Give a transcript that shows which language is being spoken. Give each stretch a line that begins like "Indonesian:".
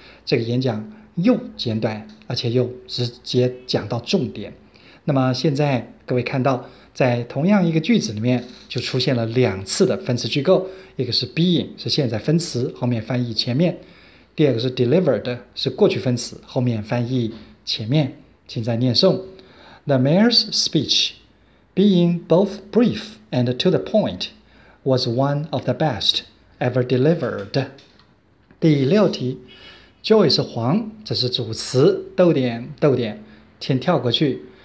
Chinese: 这个演讲又简短，而且又直接讲到重点。那么现在各位看到，在同样一个句子里面就出现了两次的分词句构，一个是 being， 是现在分词后面翻译前面，第二个是 delivered， 是过去分词后面翻译前面。请再念诵
English: The mayor's speech being both brief and to the point was one of the best ever delivered。
Chinese: 第六题，Joy 是黄，这是主词，逗点逗点，先跳过去。